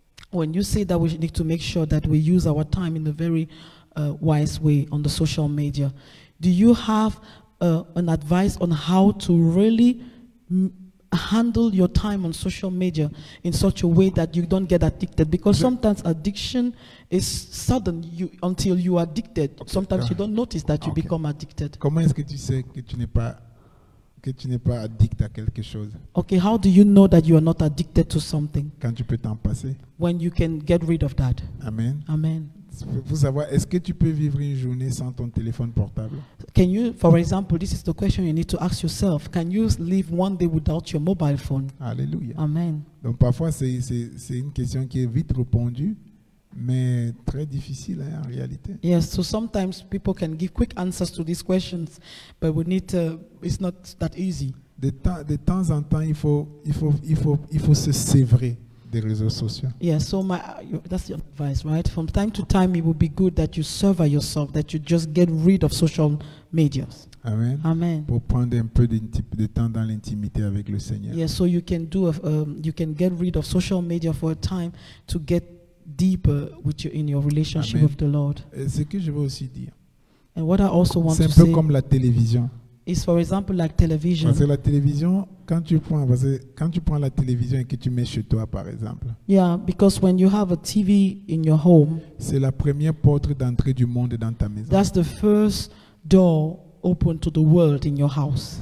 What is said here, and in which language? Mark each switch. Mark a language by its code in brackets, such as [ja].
[en] When you say that we need to make sure that we use our time in a very wise way on the social media, do you have an advice on how to really handle your time on social media in such a way that you don't get addicted? Because sometimes addiction is sudden. You until you are addicted, okay, sometimes you don't notice that you okay. become addicted. [fr] Comment est-ce que tu sais que tu n'es pas addict à quelque chose? [en] Okay, how do you know that you are not addicted to something? [fr] Quand tu peux t'en passer. [en] When you can get rid of that. Amen. Amen. [fr] Vous savoir, est-ce que tu peux vivre une journée sans ton téléphone portable? [en] Can you, for example, this is the question you need to ask yourself. Can you live one day without your mobile phone? Alléluia. Amen. [fr] Donc parfois c'est une question qui est vite répondue, mais très difficile hein, en réalité. [en] Yes, so sometimes people can give quick answers to these questions, but we need to, it's not that easy. [fr] De temps en temps, il faut se sévrer. Des réseaux sociaux. [en] Yeah, so that's your advice, right? From time to time, it would be good that you sever yourself, that you just get rid of social media. Amen. Amen. [fr] Pour prendre un peu de temps dans l'intimité avec le Seigneur. [en] Yeah, so you can do, you can get rid of social media for a time to get deeper with you in your relationship Amen. With the Lord. [fr] Et ce que je veux aussi dire. [en] And what I also want to say. [fr] C'est un peu comme la télévision. [en] Is for example like television. [fr] Parce que la télévision, quand tu prends la télévision et que tu mets chez toi, par exemple. [en] Yeah, because when you have a TV in your home. [fr] C'est la première porte d'entrée du monde dans ta maison. [en] That's the first door open to the world in your house.